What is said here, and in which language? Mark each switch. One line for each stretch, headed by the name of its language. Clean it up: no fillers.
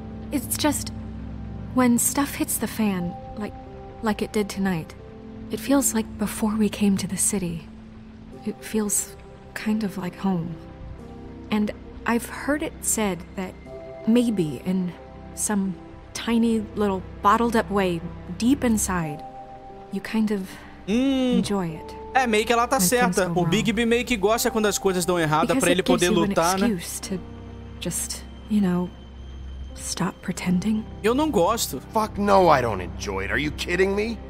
English: It's just, when stuff hits the fan, like it did tonight, it feels like before we came to the city. It feels kind of like home. And I've heard it said that maybe in some tiny little bottled up way, deep inside, you kind of enjoy it.
Portuguese: É, meio que ela tá certa. O Bigby meio que gosta quando as coisas dão errada pra ele poder lutar, né?
English: Because it gives you an excuse to just, you know, stop pretending.
Portuguese: Eu não gosto.
English: Fuck no, I don't enjoy it. Are you kidding me?